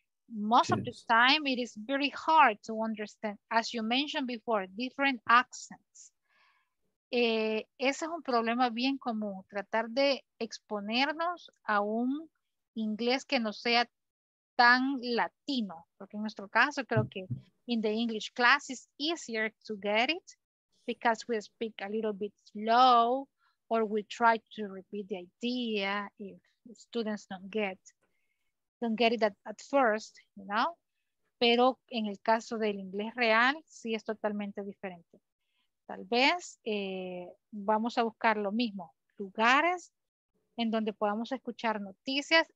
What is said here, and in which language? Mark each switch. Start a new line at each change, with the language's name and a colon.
English: Most of the time, it is very hard to understand. As you mentioned before, different accents.
Spanish: Ese es un problema bien común, tratar de exponernos a un inglés que no sea tan latino. Porque en nuestro caso, creo que
English: in the English class, it's easier to get it, because we speak a little bit slow, or we try to repeat the idea if students don't get it at first, you know?
Spanish: Pero en el caso del inglés real, sí es totalmente diferente. Tal vez vamos a buscar lo mismo, lugares en donde podamos escuchar noticias.